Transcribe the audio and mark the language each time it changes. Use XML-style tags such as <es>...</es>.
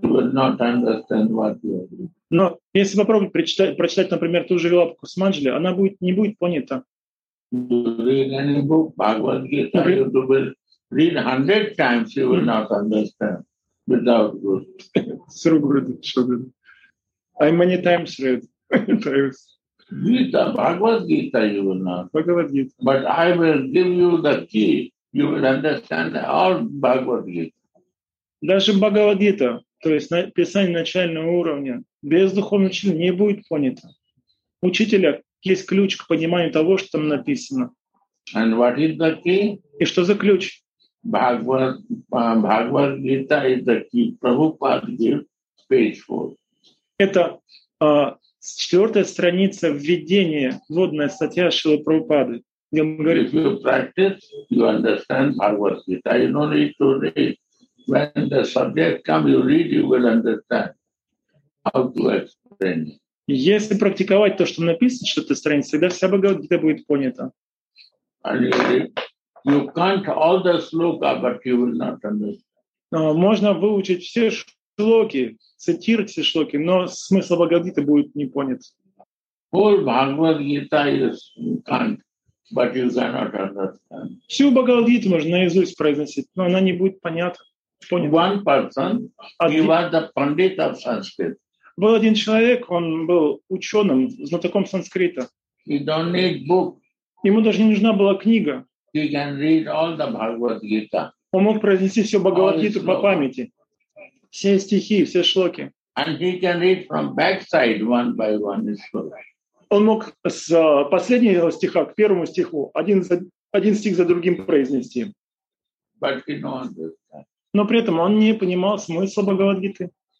<ru>Но если попробовать прочитать, например, ту же Вилапу Сманджали, она будет, не будет понята.</ru> <en>Read any book, Bhagavad Gita, you will read 100 times, you will not understand. Without Guru. I many times read. Gita, Bhagavad Gita, you will not. Bhagavad Gita. But I will give you the key. You will understand all Bhagavad Gita.</en> <ru>Даже Bhagavad Gita, то есть писание начального уровня, без духовного учителя не будет понято. Учителя есть ключ к пониманию того, что там написано.</ru> <en>And what is the key?</en> <ru>И что за ключ?</ru> <en>Bhagavad Gita is the key. Prabhupada gives page 4.</en> <ru>Это четвертая страница введения, вводная статья Шрилы Прабхупады.</ru> <en>If you practice, you understand Bhagavad Gita. You don't need to read. When the subject comes, you read, you will understand how to explain it.</en> <ru>Если практиковать то, что написано, что это страница, тогда вся Бхагавад Гита будет понята.</ru> <en>You can't all the sloka, but you will not understand.</en> <ru>Можно выучить все шлоки, цитировать все шлоки, но смысл Бхагавад Гиты будет не понят.</ru> <en>Whole Bhagavad Gita is you can't, but you cannot understand.</en> <ru>Всю Бхагавад Гиту можно наизусть произносить, но она не будет понята.</ru> <en>One person, he was the pandit of Sanskrit.</en> <ru>Был один человек, он был ученым, знатоком санскрита.</ru> <en>He don't need book.</en> <ru>Ему даже не нужна была книга.</ru> <en>He can read all the Bhagavad Gita.</en> <ru>Он мог произнести всю Бхагавад Гиту по памяти. Все стихи, все шлоки.</ru> <en>And he can read from backside one by one.</en> <ru>Он мог с последнего стиха к первому стиху один стих за другим произнести.</ru> <en>But he don't understand.</en> <ru>Но при этом он не понимал смысла Бхагавад Гиты.</ru>